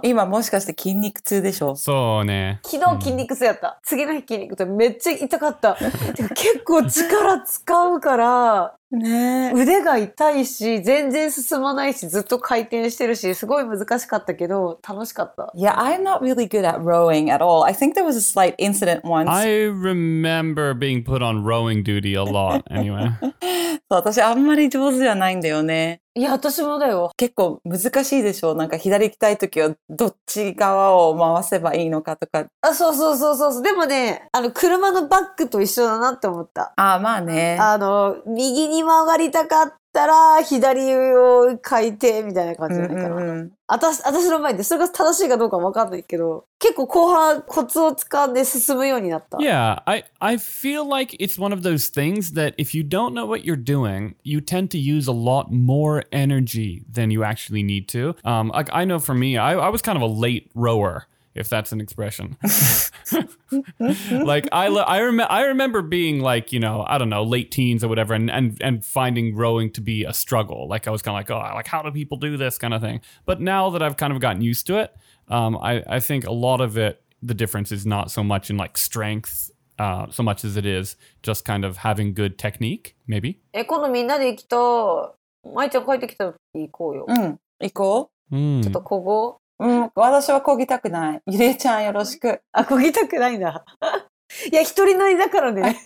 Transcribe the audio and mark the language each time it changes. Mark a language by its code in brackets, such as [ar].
[ja] 今もしかして筋肉痛でしょ？そうね。昨日筋肉痛やった。うん、次の日筋肉痛めっちゃ痛かった。てか結構力使うから、ね、腕が痛いし、全然進まないし、ずっと回転してるし、すごい難しかったけど、楽しかった。 [en] Yeah, I'm not really good at rowing at all. I think there was a slight incident once. I remember being put on rowing duty a lot, anyway. [ja] そう、私あんまり上手じゃないんだよね。いや、私もだよ。結構難しいでしょ？なんか左行きたいときはどっち側を回せばいいのかとか。あ、そうそうそうそう。でもね、車のバックと一緒だなって思った。あ、まあね。右に曲がりたかったら左を回転みたいな感じじゃないかな。うんうんうん、私の前で、それが正しいかどうかわかんないけど、結構後半コツをつかんで進むようになった。 [en] Yeah, I feel like it's one of those things that if you don't know what you're doing, you tend to use a lot more energy than you actually need to. Like I know for me, I was kind of a late rower, if that's an expression. Like I remember being like, you know, I don't know, late teens or whatever, and finding rowing to be a struggle. Like I was kind of like, oh, like how do people do this kind of thing. But now that I've kind of gotten used to it, I think a lot of it, the difference is not so much in like strength, so much as it is just kind of having good technique, maybe. [ja] え、今度みんなで行きと、まいちゃん帰ってきた時行こうよ。うん、行こう。うん。ちょっとこごう。うん、私は漕ぎたくない。ゆれちゃんよろしく。あ、漕ぎたくないんだ。いや、一人乗りだからね。